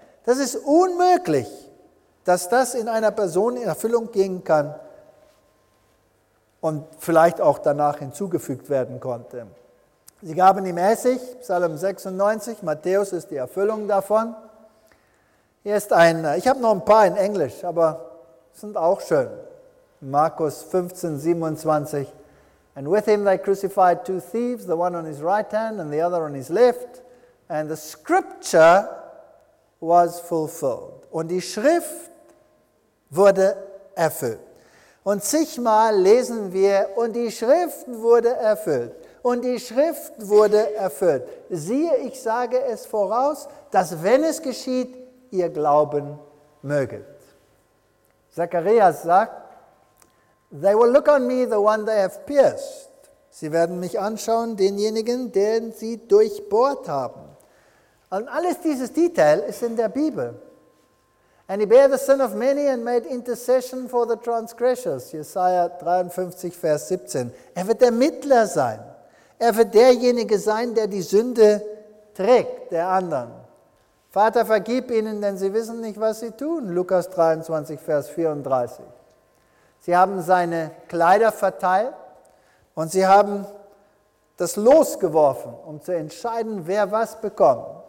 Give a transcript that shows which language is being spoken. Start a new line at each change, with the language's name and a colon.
German: Das ist unmöglich, dass das in einer Person in Erfüllung gehen kann und vielleicht auch danach hinzugefügt werden konnte. Sie gaben ihm Essig, Psalm 96, Matthäus ist die Erfüllung davon. Hier ist ich habe noch ein paar in Englisch, aber sind auch schön. Markus 15, 27.
English: And with him they crucified two thieves, the one on his right hand and the other on his left. And the scripture was fulfilled.
German: Und die Schrift wurde erfüllt. Und zigmal lesen wir, und die Schrift wurde erfüllt. Und die Schrift wurde erfüllt. Siehe, ich sage es voraus, dass wenn es geschieht, ihr glauben möget. Zacharias sagt,
English: they will look on me, the one they have pierced.
German: Sie werden mich anschauen, denjenigen, den sie durchbohrt haben. Und alles dieses Detail ist in der Bibel.
English: And he bare the sin of many and made intercession for the transgressors.
German: Jesaja 53, Vers 17. Er wird der Mittler sein. Er wird derjenige sein, der die Sünde trägt, der anderen. Vater, vergib ihnen, denn sie wissen nicht, was sie tun. Lukas 23, Vers 34. Sie haben seine Kleider verteilt und sie haben das Los geworfen, um zu entscheiden, wer was bekommt.